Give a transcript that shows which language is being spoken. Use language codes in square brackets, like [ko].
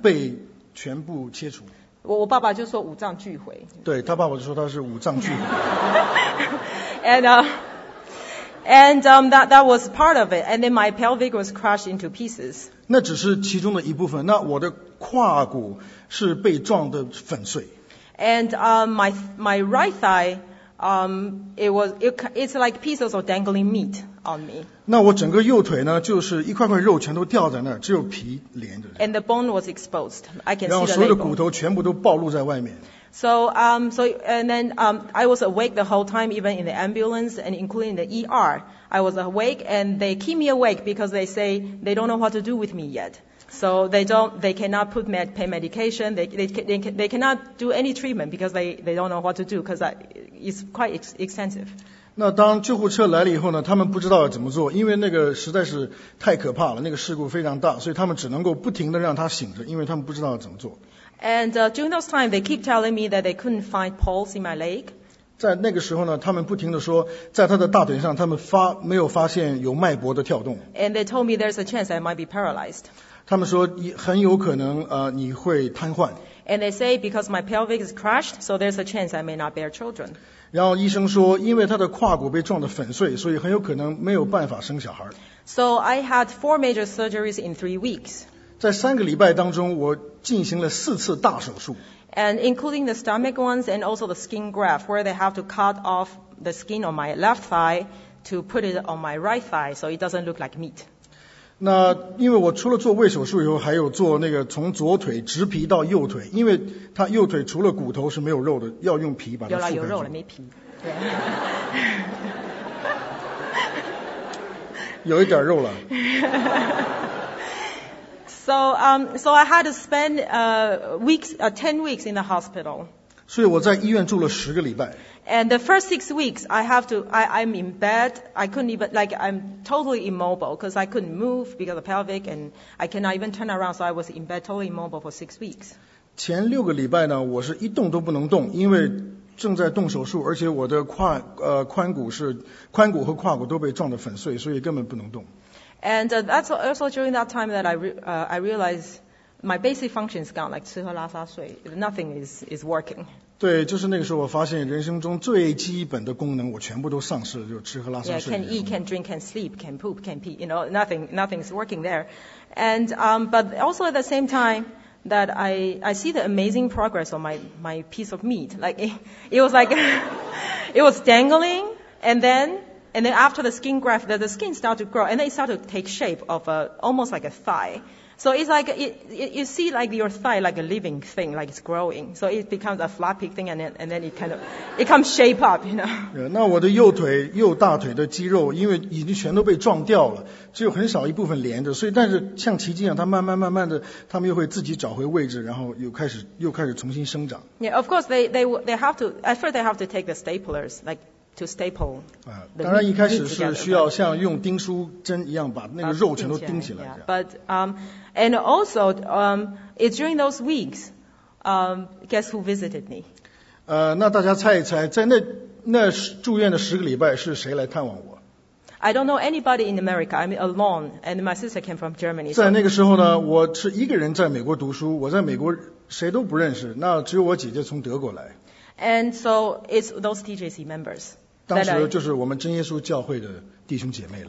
[zh] 然后我的那个黄胆，不是胆，胆被全部切除。我爸爸就说五脏俱毁。对，他爸爸就说他是五脏俱毁。 [en] And that was part of it. And then my pelvic was crushed into pieces. [zh] 那只是其中的一部分。那我的胯骨是被撞得粉碎。 [en] And my right thigh, it's like pieces of dangling meat on me. [zh] 那我整个右腿呢，就是一块块肉全都掉在那儿，只有皮连着。 [en] And the bone was exposed. I can see the. [zh] 然后所有的骨头全部都暴露在外面。 [en] So I was awake the whole time, even in the ambulance and including the ER. I was awake and they keep me awake because they say they don't know what to do with me yet. So they cannot put me pain medication. They cannot do any treatment because they don't know what to do because it's quite extensive. [zh] 那当救护车来了以后呢，他们不知道怎么做，因为那个实在是太可怕了，那个事故非常大，所以他们只能够不停的让他醒着，因为他们不知道怎么做。 [en] And during those time, they keep telling me that they couldn't find pulse in my leg. [zh] 在那个时候呢，他们不停地说，在他的大腿上，他们没有发现有脉搏的跳动。 [en] And they told me there's a chance I might be paralyzed. [zh] 他们说很有可能你会瘫痪。 [en] And they say because my pelvic is crushed, so there's a chance I may not bear children. [zh] 然后医生说，因为他的胯骨被撞得粉碎，所以很有可能没有办法生小孩。 [en] So I had 4 major surgeries in 3 weeks. [zh] 在三个礼拜当中，我进行了四次大手术。 [en] And including the stomach ones and also the skin graft, where they have to cut off the skin on my left thigh to put it on my right thigh, so it doesn't look like meat. [zh] 那因为我除了做胃手术以后，还有做那个从左腿植皮到右腿，因为他右腿除了骨头是没有肉的，要用皮把它覆盖住。有肉了，没皮。有一点肉了。 [en] So I had to spend ten weeks in the hospital. [zh] 所以我在医院住了十个礼拜。 [en] And the first 6 weeks, I'm in bed. I couldn't even, like, I'm totally immobile because I couldn't move because of pelvic and I cannot even turn around. So I was in bed totally immobile for 6 weeks. [zh] 前六个礼拜呢，我是一动都不能动，因为正在动手术，而且我的髋骨和胯骨都被撞得粉碎，所以根本不能动。 [en] And that's also during that time that I realized my basic function is gone, like [zh] 吃喝拉撒睡 [en] nothing is working. [zh] 对，就是那个时候我发现人生中最基本的功能我全部都丧失了，就吃喝拉撒睡。 [en] Yeah, can eat, can drink, can sleep, can poop, can pee. You know, nothing is working there. And but also at the same time that I see the amazing progress of my piece of meat. Like it was like it was dangling, and then. And then after the skin graft, the skin started to grow, and then it started to take shape of almost like a thigh. So it's like, you see like your thigh like a living thing, like it's growing. So it becomes a flappy thing, and then it comes shape up, you know. [zh] Yeah, 那我的右腿、右大腿的肌肉，因为已经全都被撞掉了，只有很少一部分连着，所以但是像奇迹一样，它慢慢慢慢的，它们又会自己找回位置，然后又开始重新生长。 [en] Yeah, of course, they have to, at first they have to take the staplers, like,to staple the [zh] 当然一开始是需要像用钉书针一样把那个肉全都钉起来。 [en] Yeah. But and also it's during those weeks, guess who visited me? [zh] 那大家猜一猜，在那住院的十个礼拜是谁来探望我 [en] ？I don't know anybody in America. I'm alone, and my sister came from Germany. [zh] 在那个时候呢，我是一个人在美国读书，我在美国谁都不认识，那只有我姐姐从德国来。 [en] And so it's those TJC members. [zh] 当时就是我们真耶稣教会的弟兄姐妹了。